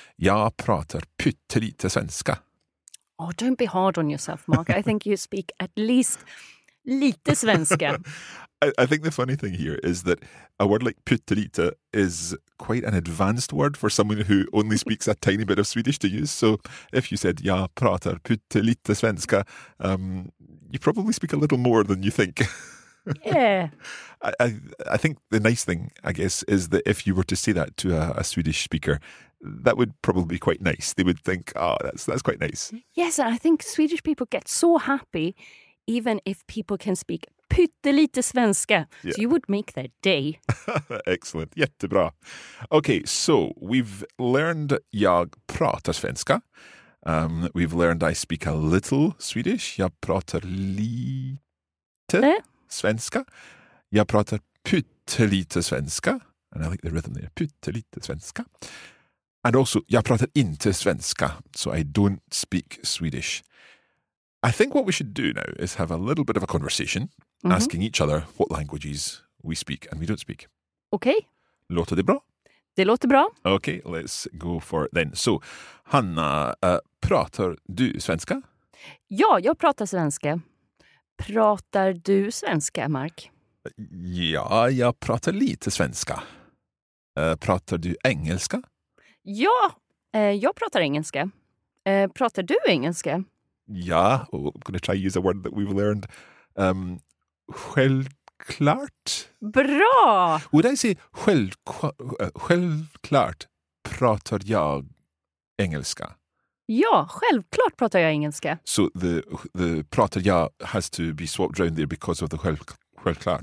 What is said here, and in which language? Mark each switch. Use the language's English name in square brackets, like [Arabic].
[Swedish] Jag pratar pyttelite svenska. [English] Oh, don't be hard on yourself, Mark. I think you speak at least [Swedish] lite svenska. [English] I think the funny thing here is that a word like pyttelite is quite an advanced word for someone who only speaks a tiny bit of Swedish to use. So if you said [Swedish] jag pratar pyttelite svenska, [English] you probably speak a little more than you think. Yeah. I think the nice thing, I guess, is that if you were to say that to a Swedish speaker, that would probably be quite nice. They would think, oh, that's quite nice. Yes, and I think Swedish people get so happy even if people can speak [Swedish] pyttelite svenska. [English] Yeah. So you would make their day. Excellent. [Swedish] Jättebra. [English] Okay, so we've learned [Swedish] jag pratar svenska. [English] We've learned I speak a little Swedish. [Swedish] Jag pratar lite. Svenska. Jag pratar pyttelite svenska. [English] And I like the rhythm there. [Swedish] Pyttelite svenska. [English] And also, [Swedish] jag pratar inte svenska. [English] So I don't speak Swedish. I think what we should do now is have a little bit of a conversation mm-hmm. asking each other what languages we speak and we don't speak. Okay. [Swedish] Låter det bra? Det låter bra. [English] Okay, let's go for it then. So, Hanna, [Swedish] pratar du svenska? Ja, jag pratar svenska. Pratar du svenska, Mark? Ja, jag pratar lite svenska. Pratar du engelska? Ja, jag pratar engelska. Pratar du engelska? Ja, [English] oh, I'm going to try to use a word that we've learned. [Swedish] Självklart. Bra! [English] Would I say [Swedish] självklart pratar jag engelska? Ja, självklart pratar jag engelska. [English] So the [Swedish] pratar jag [English] has to be swapped around there because of the självklart.